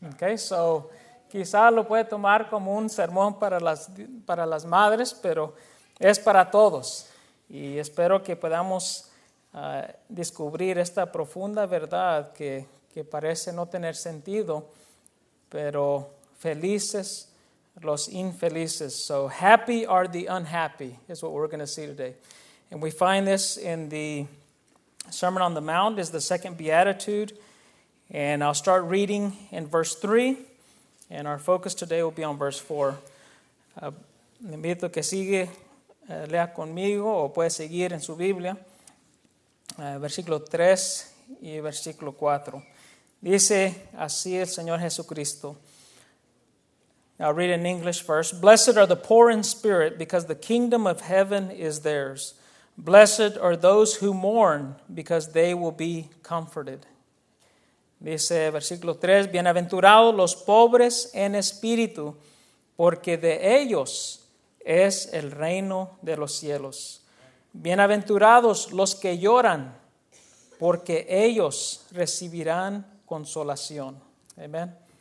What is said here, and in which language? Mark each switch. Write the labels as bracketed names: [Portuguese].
[English] Okay, so [Spanish] quizá lo puede tomar como un sermón para las madres, pero es para todos. Y espero que podamos descubrir esta profunda verdad que parece no tener sentido, pero felices los infelices. [English] So happy are the unhappy is what we're going to see today. And we find this in the Sermon on the Mount is the second beatitude. And I'll start reading in verse 3. And our focus today will be on verse 4. [Spanish] Le invito que sigue, lea conmigo o puede seguir en su Biblia. Versículo 3 y versículo 4. Dice así el Señor Jesucristo. [English] I'll read in English first. Blessed are the poor in spirit, because the kingdom of heaven is theirs. Blessed are those who mourn, because they will be comforted. [Spanish] Dice versículo 3. Bienaventurados los pobres en espíritu, porque de ellos es el reino de los cielos. Bienaventurados los que lloran, porque ellos recibirán consolación. Amén.